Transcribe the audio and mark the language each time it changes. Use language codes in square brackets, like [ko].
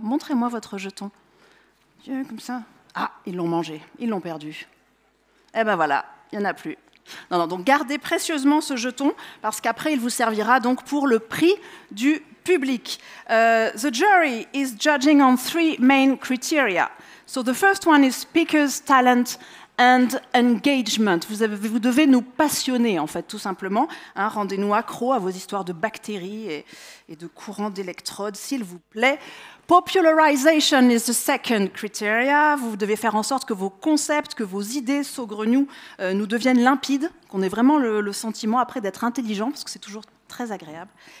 [fr] Montrez-moi votre jeton. Comme ça. Ah, ils l'ont mangé, ils l'ont perdu. Eh ben voilà, il n'y en a plus. Non, non, donc gardez précieusement ce jeton, parce qu'après, il vous servira donc pour le prix du public. [en] The jury is judging on 3 main criteria. So the first one is speakers, talent and engagement. [fr] Vous devez nous passionner, en fait, tout simplement. Hein, rendez-nous accro à vos histoires de bactéries et de courants d'électrodes, s'il vous plaît. [en] Popularization is the second criteria. [fr] Vous devez faire en sorte que vos concepts, que vos idées saugrenues nous deviennent limpides, qu'on ait vraiment le sentiment après d'être intelligent, parce que c'est toujours très agréable.